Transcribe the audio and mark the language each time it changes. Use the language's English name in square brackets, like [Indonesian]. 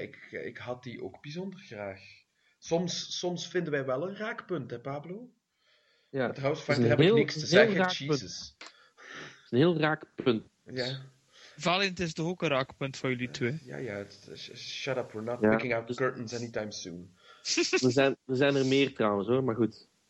[Dutch] Ik had die ook bijzonder graag. Soms vinden wij wel een raakpunt, hè Pablo? Ja. Met Housefighter heb heel, ik niks te zeggen, Jesus. Het is een heel raakpunt. Ja. Valiant is toch ook een raakpunt voor jullie twee? [English] Ja, shut up, we're not picking out curtains anytime soon. [Dutch] we zijn er meer trouwens hoor, maar goed.